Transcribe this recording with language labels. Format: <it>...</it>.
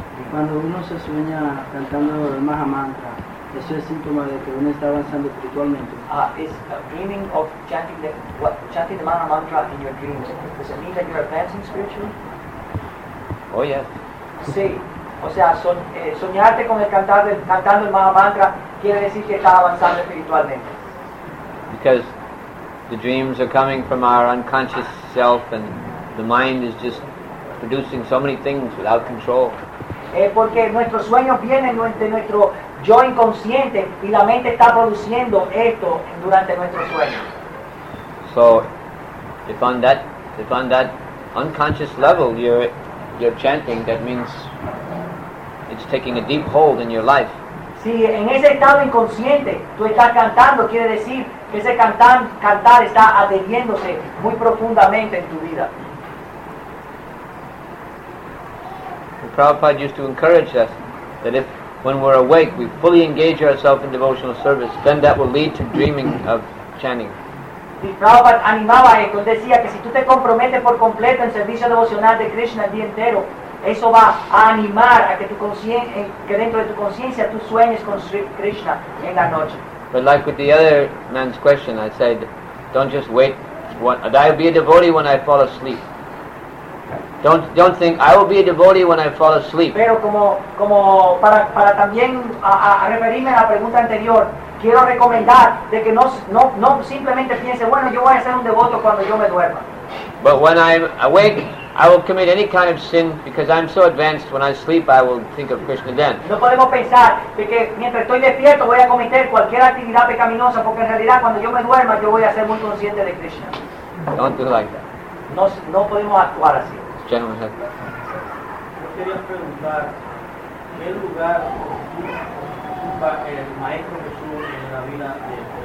<es>Cuando uno se sueña cantando el Maha Mantra, eso es síntoma de que uno está avanzando espiritualmente.</es> <en>Dreaming of chanting the Maha Mantra in your dreams, does it mean that you're advancing spiritually? Oh, yes.</en> <es>Sí. O sea, soñarte con el cantando el Maha Mantra quiere decir que estás avanzando espiritualmente.</es> <en>Because the dreams are coming from our unconscious self and the mind is just producing so many things without control.</en> <es>Porque nuestros sueños vienen de nuestro yo inconsciente y la mente está produciendo esto durante nuestros sueños.</es> <en>So, if on that unconscious level you're chanting, that means it's taking a deep hold in your life.</en> <es>Si en ese estado inconsciente tú estás cantando, quiere decir que ese cantar está adheriéndose muy profundamente en tu vida.</es> <en>Prabhupada used to encourage us that if when we're awake we fully engage ourselves in devotional service, then that will lead to dreaming of chanting.</en> <es>Prabhupada animaba esto, decía que si tú te comprometes por completo en servicio devocional de Krishna el día entero, eso va a animar a que tu que dentro de tu conciencia tú sueñes con Krishna en la noche.</es> <en>But like with the other man's question, I said, don't just wait. I'll be a devotee when I fall asleep. Don't think I will be a devotee when I fall asleep.</en> <es>Pero como para también a referirme a la pregunta anterior, quiero recomendar de que no simplemente piense, bueno, yo voy a ser un devoto cuando yo me duerma.</es> <en>But when I'm awake, I will commit any kind of sin because I'm so advanced. When I sleep, I will think of Krishna then.</en> <es>No podemos pensar de que mientras estoy despierto voy a cometer cualquier actividad pecaminosa, porque en realidad cuando yo me duerma yo voy a ser muy consciente de Krishna.</es> <en>Don't do like that.</en> <es>No podemos actuar así. Gentlemen, yo quería preguntar qué lugar ocupa el maestro Jesús en la vida de</es>